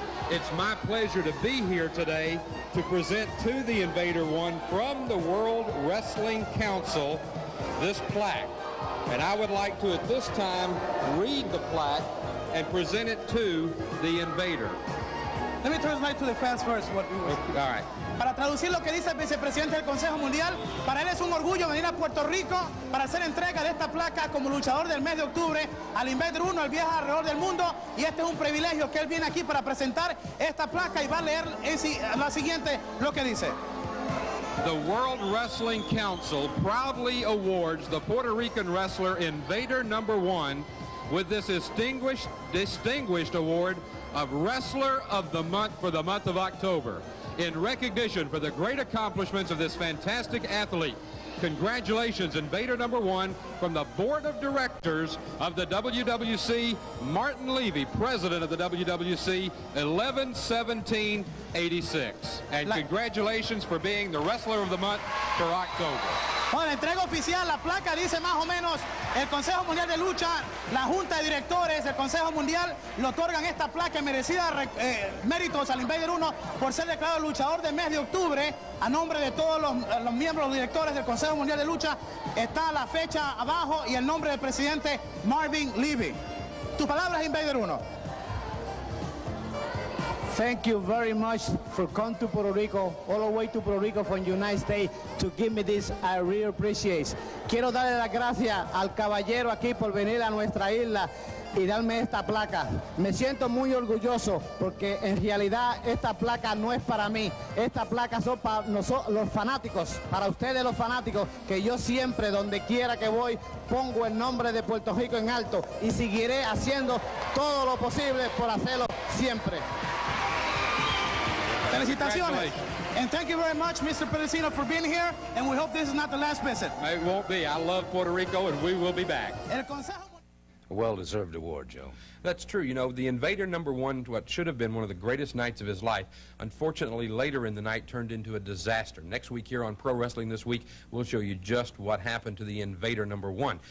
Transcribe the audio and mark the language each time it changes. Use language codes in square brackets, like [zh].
[en] It's my pleasure to be here today to present to the Invader One from the World Wrestling Council this plaque. And I would like to at this time read the plaque and present it to the Invader. Let me translate to the fans first what we were saying. All right. [es] Para traducir lo que dice el vicepresidente del Consejo Mundial, para él es un orgullo venir a Puerto Rico para hacer entrega de esta placa como luchador del mes de octubre al Invader 1, al viaje alrededor del mundo. Y este es un privilegio que él viene aquí para presentar esta placa y va a leer la siguiente, lo que dice. [en] The World Wrestling Council proudly awards the Puerto Rican wrestler Invader Number One with this distinguished award of Wrestler of the Month for the month of October. In recognition for the great accomplishments of this fantastic athlete, congratulations, Invader Number One, from the Board of Directors of the WWC, Martin Levy, President of the WWC, 11-17-86. And congratulations for being the Wrestler of the Month for October. [es] Bueno, la entrega oficial, la placa dice más o menos, el Consejo Mundial de Lucha, la Junta de Directores del Consejo Mundial le otorgan esta placa merecida méritos al Invader 1 por ser declarado luchador del mes de octubre a nombre de todos los miembros directores del Consejo Mundial de Lucha. Está la fecha abajo y el nombre del presidente Marvin Levy. Tus palabras, Invader 1. [en] Thank you very much for coming to Puerto Rico, all the way to Puerto Rico from the United States to give me this. I really appreciate. [es] Quiero darle las gracias al caballero aquí por venir a nuestra isla y darme esta placa. Me siento muy orgulloso porque en realidad esta placa no es para mí. Esta placa son para nosotros, los fanáticos, para ustedes los fanáticos, que yo siempre, donde quiera que voy, pongo el nombre de Puerto Rico en alto y seguiré haciendo todo lo posible por hacerlo siempre. Felicitaciones. [en] And thank you very much, Mr. Pedicino, for being here, and we hope this is not the last visit. It won't be. I love Puerto Rico, and we will be back. A well-deserved award, Joe. That's true. You know, the Invader Number One, what should have been one of the greatest nights of his life, unfortunately later in the night turned into a disaster. Next week here on Pro Wrestling This Week, we'll show you just what happened to the Invader Number One.